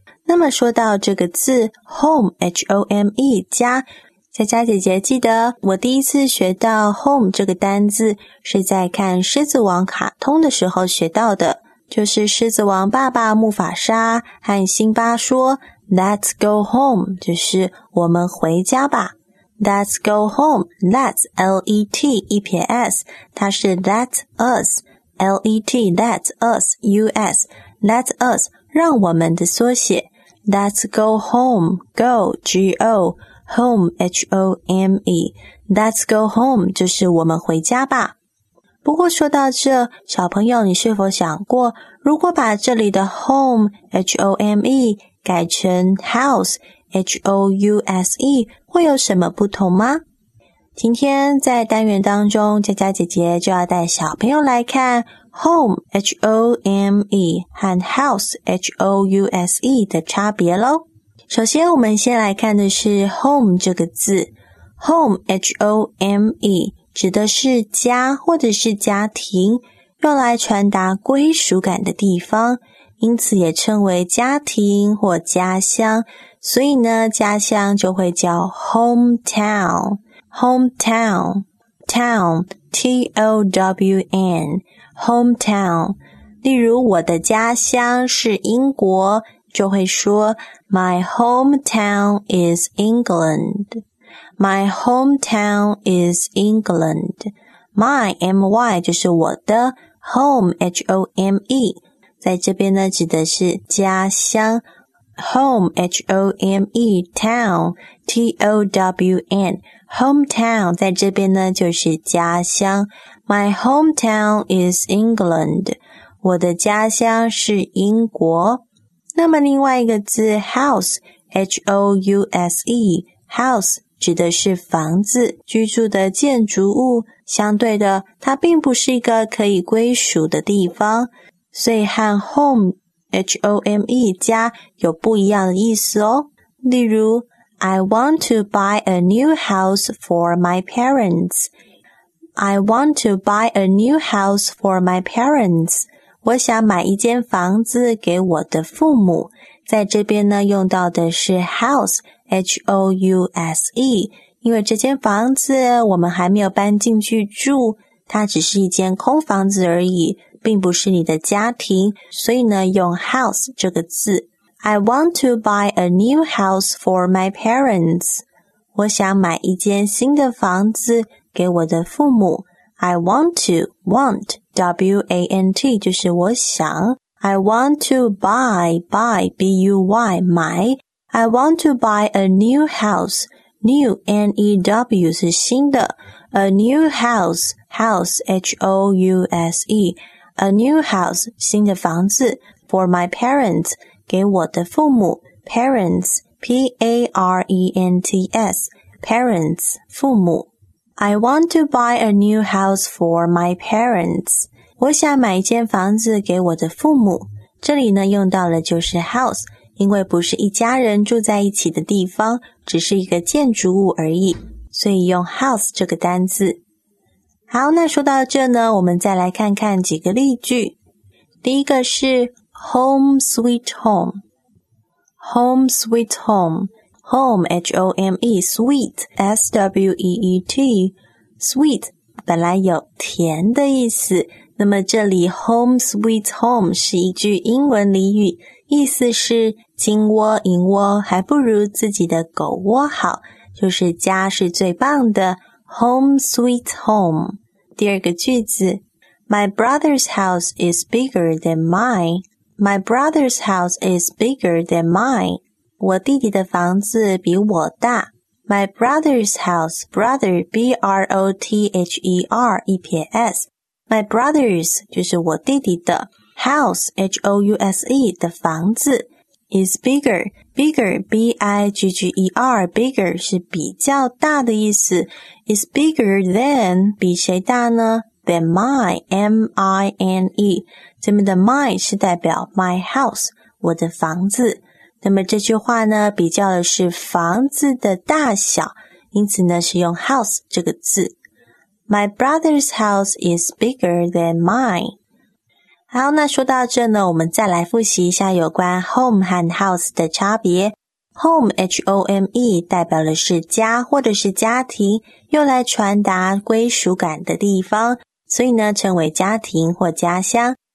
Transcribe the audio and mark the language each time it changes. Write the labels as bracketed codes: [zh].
[zh] 那么说到这个字 home,H-O-M-E, 家，佳佳姐姐记得我第一次学到 home 这个单字是在看狮子王卡通的时候学到的，就是狮子王爸爸木法沙和辛巴说 [en] Let's go home, [zh] 就是我们回家吧。 [en] Let's go home, let's, L-E-T, [zh] 一撇 [en] S, [zh] 它是 [en] let us, L-E-T, let us, U-S, let us, [zh] 让我们的缩写。 [en] Let's go home, go, G-O, home, H-O-M-E, let's go home, [zh] 就是我们回家吧。不过说到这，小朋友你是否想过，如果把这里的 home, H-O-M-E, 改成 house,H-O-U-S-E, 会有什么不同吗？今天在单元当中，佳佳姐姐就要带小朋友来看 home, H-O-M-E, 和 house, H-O-U-S-E 的差别咯。首先我们先来看的是 home 这个字。 home, H-O-M-E, 指的是家或者是家庭，用来传达归属感的地方，因此也称为家庭或家乡，所以呢，家乡就会叫 hometown, hometown, town, T-O-W-N, hometown. 例如我的家乡是英国，就会说 [en] My hometown is England, my hometown is England. My, M-Y, [zh] 就是我的 home, H-O-M-E, 在这边呢指的是家乡。 [en] Home, H-O-M-E, town, T-O-W-N, hometown, [zh] 在这边呢就是家乡。 [en] My hometown is England, [zh] 我的家乡是英国。那么另外一个字 house, H-O-U-S-E, house, 指的是房子，居住的建筑物，相对的它并不是一个可以归属的地方，所以和 home,H-O-M-E, 家有不一样的意思哦。 [en] 例如 I want to buy a new house for my parents. I want to buy a new house for my parents. [zh] 我想买一间房子给我的父母。在这边呢用到的是 house, H-O-U-S-E, 因为这间房子我们还没有搬进去住，它只是一间空房子而已，并不是你的家庭，所以呢用 house 这个字。 [en] I want to buy a new house for my parents. [zh] 我想买一间新的房子给我的父母。 [en] I want to, want, W-A-N-T, [zh] 就是我想。 [en] I want to buy, buy, B-U-Y, [zh] 买。 [en] I want to buy a new house, new, N-E-W, [zh] 是新的。 [en] A new house, house, H-O-U-S-E,A new house, [zh] 新的房子, [en] for my parents, [zh] 给我的父母, [en] parents, P-A-R-E-N-T-S, parents, [zh] 父母。 [en] I want to buy a new house for my parents. [zh] 我想买一间房子给我的父母。这里呢用到了就是 house, 因为不是一家人住在一起的地方，只是一个建筑物而已，所以用 house 这个单字。好，那说到这呢，我们再来看看几个例句。第一个是 [en] home sweet home, [zh] home sweet home, home, H-O-M-E, sweet, S-W-E-E-T, sweet, 本来有甜的意思，那么这里 home sweet home 是一句英文俚语，意思是金窝银窝还不如自己的狗窝好，就是家是最棒的， home sweet home。 [en] 第二个句子 My brother's house is bigger than mine. My brother's house is bigger than mine. [zh] 我弟弟的房子比我大。 [en] My brother's house, brother, B-R-O-T-H-E-R, [zh] 一撇 [en] S. My brother's, [zh] 就是我弟弟的 [en] house, H-O-U-S-E, [zh] 的房子 [en] is bigger. Bigger, B-I-G-G-E-R, bigger, [zh] 是比较大的意思。 [en] Is bigger than, [zh] 比谁大呢? [en] Than my, M-I-N-E. [zh] 这边的 my 是代表 [en] my house, [zh] 我的房子。那么这句话呢，比较的是房子的大小，因此呢是用 house 这个字。 [en] My brother's house is bigger than mine. [zh] 好，那说到这呢，我们再来复习一下有关 home 和 house 的差别。 Home, H-O-M-E, 代表的是家或者是家庭，用来传达归属感的地方，所以呢称为家庭或家乡。